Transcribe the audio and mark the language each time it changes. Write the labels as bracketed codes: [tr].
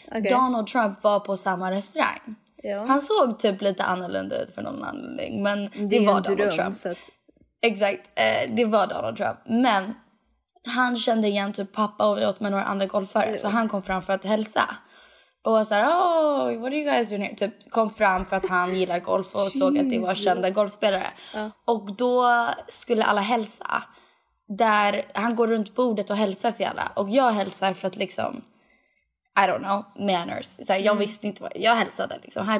[sv] Okay. Donald Trump var på samma restaurang. Ja. Han såg typ lite annorlunda ut för någon anledning, men det var Donald Trump. Så att... Exakt, det var Donald Trump. Men han kände igen typ pappa och vi åt med några andra golfare. Så han kom fram för att hälsa. Och var såhär, [en] oh, what are you guys doing here? [sv] Typ kom fram för att han gillar golf och såg att det var kända golfspelare. Och då skulle alla hälsa. Där han går runt bordet och hälsar till alla. Och jag hälsar för att liksom, [en] I don't know, manners. [sv] Så här, jag visste inte vad, jag hälsade liksom.